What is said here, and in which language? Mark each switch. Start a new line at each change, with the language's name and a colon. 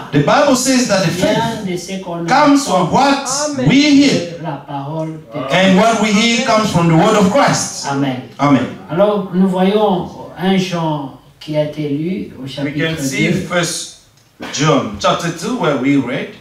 English: the Bible says that the faith comes from what we hear.
French: La parole de Dieu.
English: And what we hear comes from the word of Christ. Amen. Amen.
French: Alors nous voyons un Jean qui a été lu au chapitre 2.
English: We can see first John chapter 2 where we read.